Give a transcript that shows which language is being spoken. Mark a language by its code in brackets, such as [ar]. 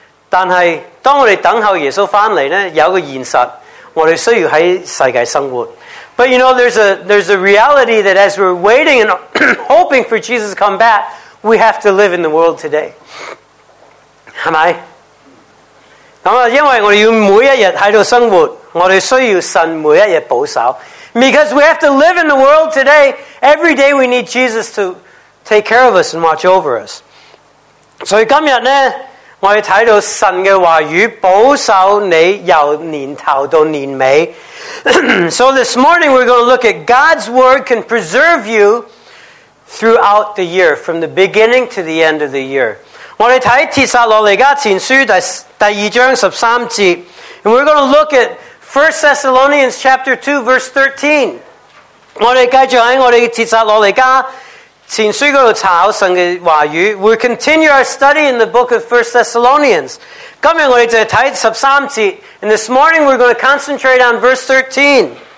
[yue] 但係當我哋等候耶穌翻嚟咧，有個現實，我哋需要喺世界生活。 [en] But you know, there's a reality that as we're waiting and hoping for Jesus to come back, we have to live in the world today. [yue] 係咪？因为我们要每一天在这里生活，我们需要神每一天保守。 [en] Because we have to live in the world today, every day we need Jesus to take care of us and watch over us. [yue] 所以今天呢，我们看到神的话语保守你由年头到年尾。 [en] So this morning we're going to look at God's word can preserve you throughout the year, from the beginning to the end of the year. [yue] 我们看《帖撒罗尼迦前书》第2章13节 [en] And we're going to look at 1 Thessalonians chapter 2 verse 13. [yue] 我们继续在我们《帖撒罗尼迦前书》那里查考神的话语。 [en] We continue our study in the book of 1 Thessalonians. [yue] 今天我们就看13节 [en] And this morning we're going to concentrate on verse 13.